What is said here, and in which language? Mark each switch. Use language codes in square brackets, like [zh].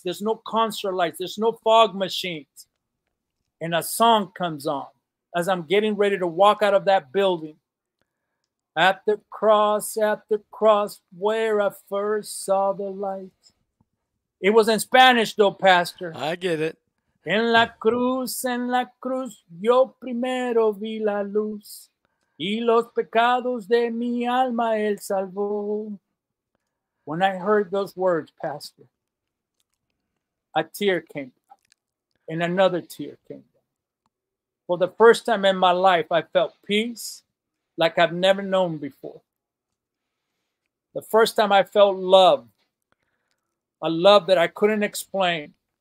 [en] There's no concert lights. There's no fog machines. And a song comes on as I'm getting ready to walk out of that building. At the cross, where I first saw the light. It was in Spanish, though, Pastor. I get it. [es] En la cruz, yo primero vi la luz. Y los pecados de mi alma él salvó. [en] When I heard those words, Pastor, a tear came. And another tear came. For the first time in my life, I felt peace like I've never known before. The first time I felt love, a love that I couldn't explain.